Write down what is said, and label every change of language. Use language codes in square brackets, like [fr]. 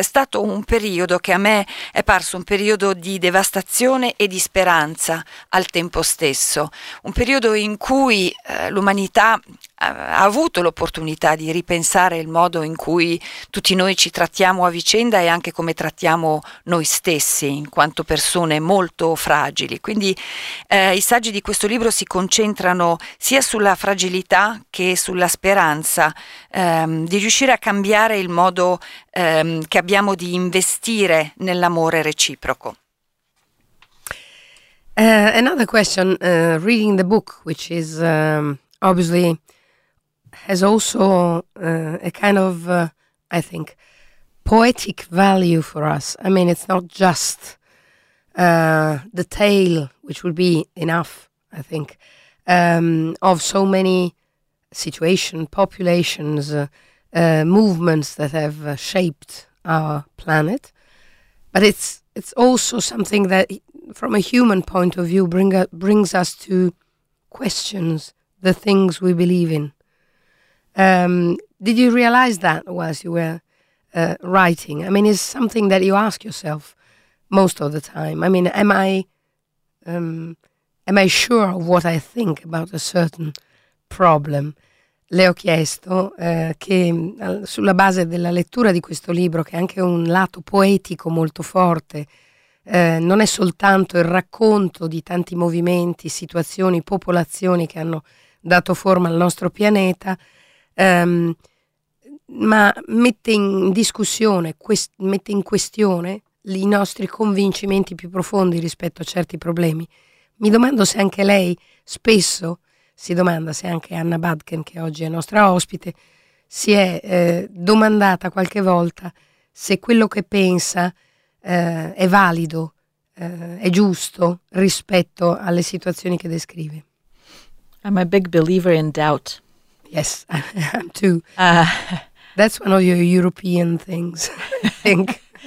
[it] È stato un periodo che a me è parso un periodo di devastazione e di speranza al tempo stesso, un periodo in cui l'umanità ha avuto l'opportunità di ripensare il modo in cui tutti noi ci trattiamo a vicenda e anche come trattiamo noi stessi in quanto persone molto fragili. Quindi i saggi di questo libro si concentrano sia sulla fragilità che sulla speranza di riuscire a cambiare il modo che abbiamo di investire nell'amore reciproco. [en] Another question, reading the book, which is obviously has also a kind of, I think, poetic value for us. I mean, it's not just the tale, which would be enough, I think, of so many situations, populations, movements that have shaped our planet. But it's also something that, from a human point of view, brings us to questions, the things we believe in. Did you realize that whilst you were writing? I mean, is something that you ask yourself most of the time? I mean, am I sure of what I think about a certain problem? [it] Le ho chiesto che sulla base della lettura di questo libro, che è anche un lato poetico molto forte, non è soltanto il racconto di tanti movimenti, situazioni, popolazioni che hanno dato forma al nostro pianeta, ma mette in discussione, mette in questione i nostri convincimenti più profondi rispetto a certi problemi. Mi domando se anche lei spesso si domanda, se anche Anna Badken, che oggi è nostra ospite, si è domandata qualche volta se quello che pensa è valido, è giusto rispetto alle situazioni che descrive. [en] I'm a big believer in doubt. Yes, I'm too. That's one of your European things, I think.